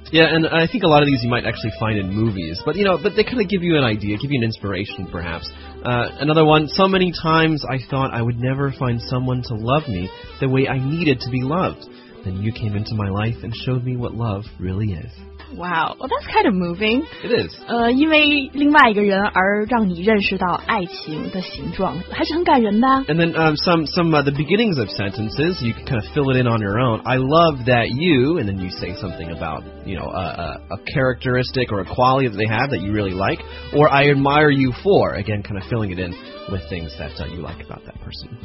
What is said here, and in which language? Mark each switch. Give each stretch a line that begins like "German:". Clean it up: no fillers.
English: Yeah, and I think a lot of these you might actually find in movies, but, you know, but they kind of give you an idea, give you an inspiration, perhaps. Another one, so many times I thought I would never find someone to love me the way I needed to be loved. Then you came into my life and showed me what love really is. Wow, well, that's kind of moving. It is.
Chinese: 因为另外一个人而让你认识到爱情的形状，还是很感人的。
English: And then some the beginnings of sentences, you can kind of fill it in on your own. I love that you, and then you say something about, you know, a characteristic or a quality that they have that you really like, or I admire you for, again, kind of filling it in with things that you like about that person.